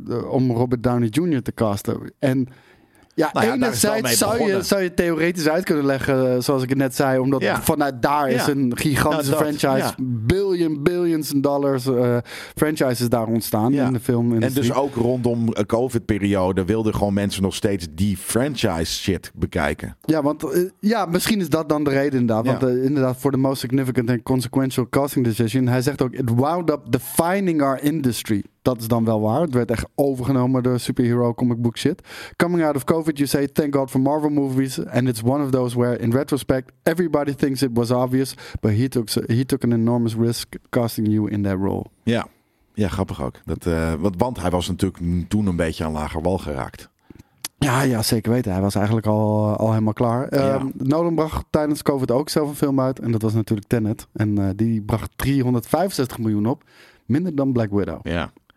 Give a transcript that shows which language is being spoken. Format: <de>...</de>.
<nl>om Robert Downey Jr. te casten. En... Ja, nou ja, enerzijds zou je theoretisch uit kunnen leggen, zoals ik het net zei. Omdat vanuit daar is een gigantische franchise. Ja. Billions in dollars franchises daar ontstaan in de film. En dus ook rondom de COVID-periode wilden gewoon mensen nog steeds die franchise shit bekijken. Ja, want misschien is dat dan de reden inderdaad. Want inderdaad,</nl> <en>for the most significant and consequential casting decision.</en> <nl>Hij zegt ook,</nl> <en>it wound up defining our industry.</en> <nl>Dat is dan wel waar. Het werd echt overgenomen door superhero comic book shit.</nl> <en>Coming out of COVID, you say thank God for Marvel movies. And it's one of those where, in retrospect, everybody thinks it was obvious. But he took an enormous risk casting you in that role.</en> <nl>Ja, grappig ook. Want hij was natuurlijk toen een beetje aan lager wal geraakt. Ja, zeker weten. Hij was eigenlijk al helemaal klaar. Ja. Nolan bracht tijdens COVID ook zelf een film uit. En dat was natuurlijk Tenet. En die bracht 365 miljoen op. Minder dan Black Widow. Ja.</nl>